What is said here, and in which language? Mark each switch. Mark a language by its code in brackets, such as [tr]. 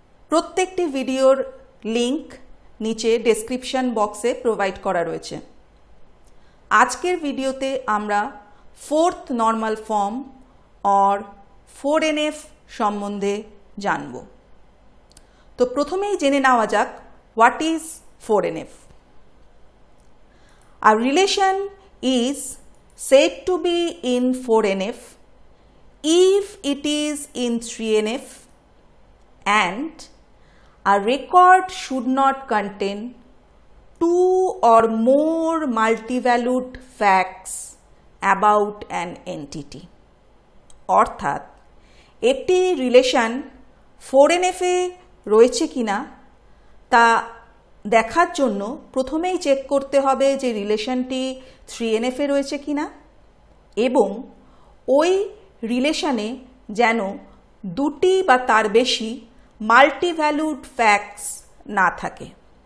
[bn] প্রত্যেকটি ভিডিওর লিংক নিচে ডেসক্রিপশন বক্সে প্রোভাইড করা রয়েছে। আজকের ভিডিওতে আমরা fourth normal form or 4NF সম্বন্ধে জানব। তো প্রথমেই জেনে নেওয়া যাক [en] what is [bn] 4NF। [en] আর relation is said to be in 4NF if it is in 3NF and a record should not contain two or more multivalued facts about an entity. [bn] অর্থাৎ একটি relation 4NF এ রয়েছে কিনা তা দেখার জন্য প্রথমেই check করতে হবে যে রিলেশনটি 3NF এ রয়েছে কিনা এবং ওই রিলেশনে যেন দুটি বা তার বেশি মাল্টিভ্যালুড ফ্যাক্টস না থাকে।